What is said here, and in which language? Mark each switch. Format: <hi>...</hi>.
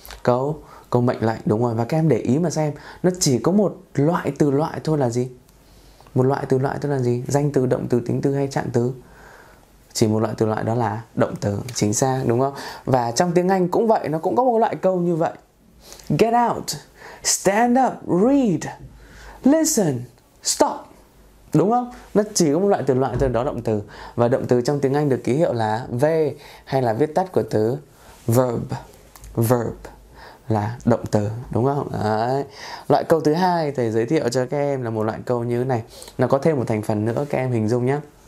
<vi>Câu mệnh lệnh, đúng rồi. Và các em để ý mà xem, nó chỉ có một loại từ loại thôi là gì? Một loại từ loại thôi là gì? Danh từ, động từ, tính từ hay trạng từ? Chỉ một loại từ loại, đó là động từ, chính xác, đúng không? Và trong tiếng Anh cũng vậy, nó cũng có một loại câu như vậy.</vi> <en>Get out, stand up, read, listen, stop.</en> <vi>Đúng không? Nó chỉ có một loại từ loại thôi, đó động từ. Và động từ trong tiếng Anh được ký hiệu là V, hay là viết tắt của từ verb. Verb là động từ, đúng không? Đấy. Loại câu thứ hai thầy giới thiệu cho các em là một loại câu như thế này. Nó có thêm một thành phần nữa, các em hình dung nhé.</vi>